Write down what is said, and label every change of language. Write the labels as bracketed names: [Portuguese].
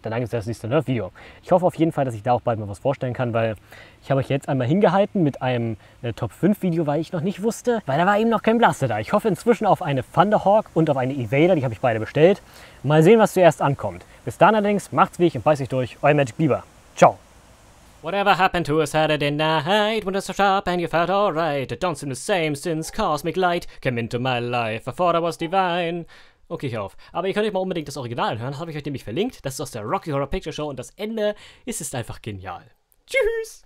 [German] Dann gibt es das nächste Video. Ich hoffe auf jeden Fall, dass ich da auch bald mal was vorstellen kann, weil ich habe euch jetzt einmal hingehalten mit einem Top 5 Video, weil ich noch nicht wusste, weil da war eben noch kein Blaster da. Ich hoffe inzwischen auf eine Thunderhawk und auf eine Evader. Die habe ich beide bestellt. Mal sehen, was zuerst ankommt. Bis dann allerdings, macht's wie ich und beiß euch durch, euer Magic Bieber. Ciao. [English] Whatever happened to a Saturday night? When it's so sharp and you felt alright? It don't seem the same since cosmic light came into my life. I thought I was divine. [German] Okay, ich auf. Aber ihr könnt euch mal unbedingt das Original hören. Das habe ich euch nämlich verlinkt. Das ist aus der Rocky Horror Picture Show und das Ende ist einfach genial. Tschüss.